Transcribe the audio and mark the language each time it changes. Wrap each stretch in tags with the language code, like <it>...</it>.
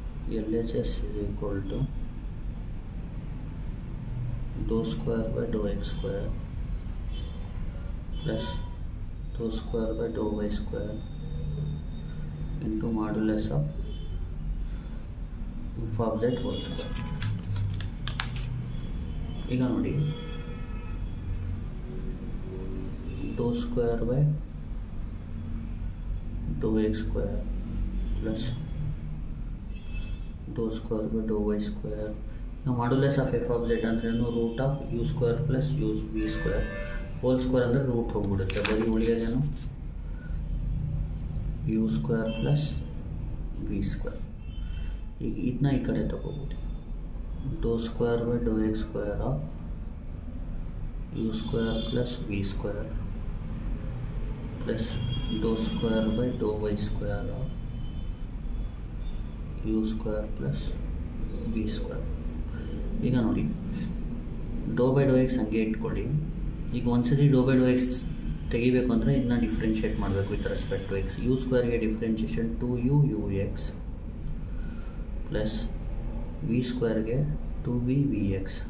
<en>LHS is equal to dou square by dou x square plus dou square by dou y square into modulus of f of z whole square.</en> <kn>ಈಗ ನೋಡಿ</kn> <en>Do square by do x square plus do square by do y square. ನಾವು modulus of f of z ಅಂದ್ರೇನು root of u square plus u v square whole square</en> <kn>ಅಂದರೆ root ಹೋಗ್ಬಿಡುತ್ತೆ. ಬರೀ ಉಳಿಯೋದೇನು</kn> <en>U square plus v square.</en> <kn>ಈಗ ಇದನ್ನ ಈ ಕಡೆ ತಗೋಬೋದು</kn> <en>dou square by dou x square of u square plus v square plus dou square by dou y square of u square plus v square.</en> <kn>ಈಗ ನೋಡಿ</kn> <en>dou by dou x</en> <kn>ಹಂಗೆ ಇಟ್ಕೊಳ್ಳಿ. ಈಗ ಒಂದ್ಸರಿ dou by dou x ತೆಗಿಬೇಕು ಅಂದರೆ ಇದನ್ನ differentiate ಮಾಡಬೇಕು</kn> <en>With respect to x. U ಸ್ಕ್ವೇರ್ಗೆ differentiation to u u x plus v ಸ್ಕ್ವೇರ್ಗೆ 2vvx.</en>